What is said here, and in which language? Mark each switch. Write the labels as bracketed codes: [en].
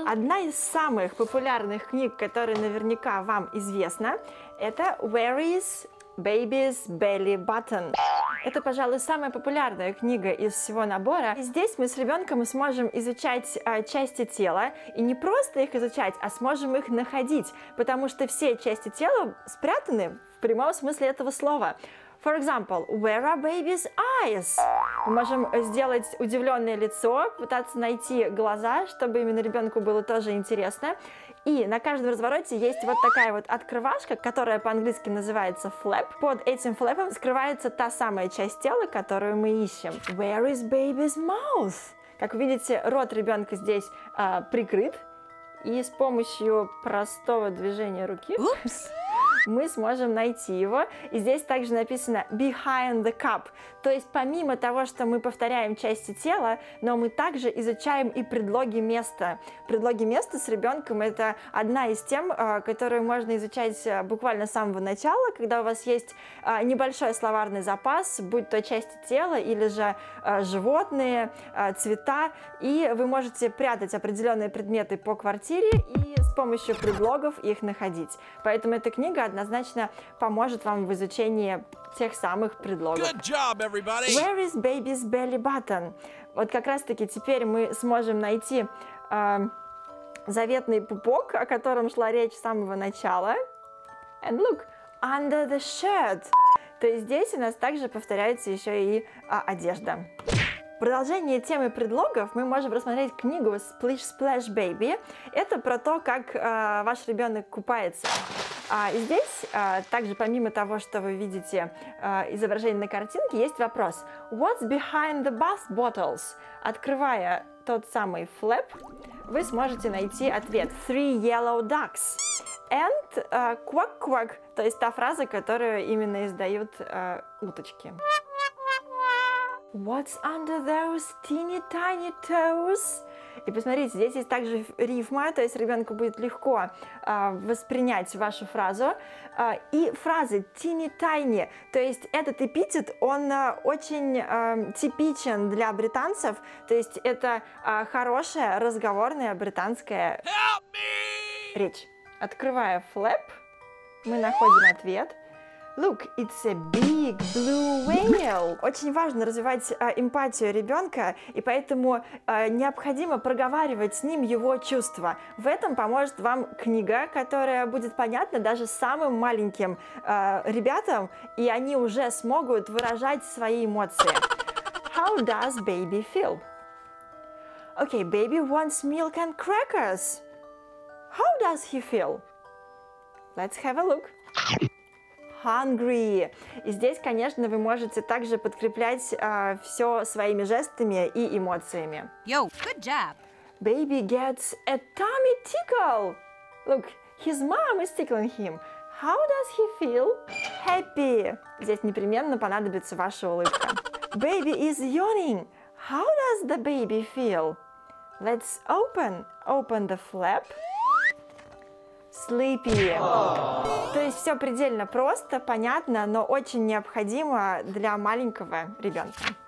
[ru] Одна из самых популярных книг, которая наверняка вам известна, это Where is Baby's Belly Button? Это, пожалуй, самая популярная книга из всего набора. И здесь мы с ребенком сможем изучать части тела. И не просто их изучать, а сможем их находить. Потому что все части тела спрятаны в прямом смысле этого слова. [en] For example, where are baby's eyes? [ru] Мы можем сделать удивленное лицо, пытаться найти глаза, чтобы именно ребенку было тоже интересно. И на каждом развороте есть вот такая вот открывашка, которая по-английски называется flap. Под этим флэпом скрывается та самая часть тела, которую мы ищем. [en] Where is baby's mouth? [ru] Как вы видите, рот ребенка здесь прикрыт. И с помощью простого движения руки... [en] Oops. [ru] Мы сможем найти его. И здесь также написано [en] behind the cup. [ru] То есть помимо того, что мы повторяем части тела, но мы также изучаем и предлоги места. Предлоги места с ребенком — это одна из тем, которую можно изучать буквально с самого начала, когда у вас есть небольшой словарный запас, будь то части тела или же животные, цвета. И вы можете прятать определенные предметы по квартире и с помощью предлогов их находить. Поэтому эта книга однозначно поможет вам в изучении тех самых предлогов. [en] Good job, everybody. Where is baby's belly button? [ru] Вот как раз-таки теперь мы сможем найти заветный пупок, о котором шла речь с самого начала. [en] And look, under the shirt. [ru] То есть здесь у нас также повторяется еще и одежда. В продолжение темы предлогов мы можем рассмотреть книгу Splish Splash Baby. Это про то, как ваш ребенок купается. И здесь также, помимо того, что вы видите изображение на картинке, есть вопрос. [en] What's behind the bath bottles? [ru] Открывая тот самый флэп, вы сможете найти ответ. [en] Three yellow ducks. And quack-quack, [ru] то есть та фраза, которую именно издают уточки. [en] What's under those teeny tiny toes? [ru] И посмотрите, здесь есть также рифма, то есть ребенку будет легко воспринять вашу фразу. И фразы [en] teeny tiny, [ru] то есть этот эпитет, он очень типичен для британцев, то есть это хорошая разговорная британская речь. Открывая флэп, мы находим ответ. [en] Look, it's a big blue whale. [ru] Очень важно развивать эмпатию ребенка, и поэтому необходимо проговаривать с ним его чувства. В этом поможет вам книга, которая будет понятна даже самым маленьким ребятам, и они уже смогут выражать свои эмоции. [en] How does baby feel? Okay, baby wants milk and crackers. How does he feel? Let's have a look. Hungry. [ru] И здесь, конечно, вы можете также подкреплять все своими жестами и эмоциями. [en] Yo, good job. Baby gets a tummy tickle. Look, his mom is tickling him. How does he feel? Happy. [ru] Здесь непременно понадобится ваша улыбка. [en] Baby is yawning. How does the baby feel? Let's open the flap. Sleepy. [ru] То есть все предельно просто, понятно, но очень необходимо для маленького ребенка.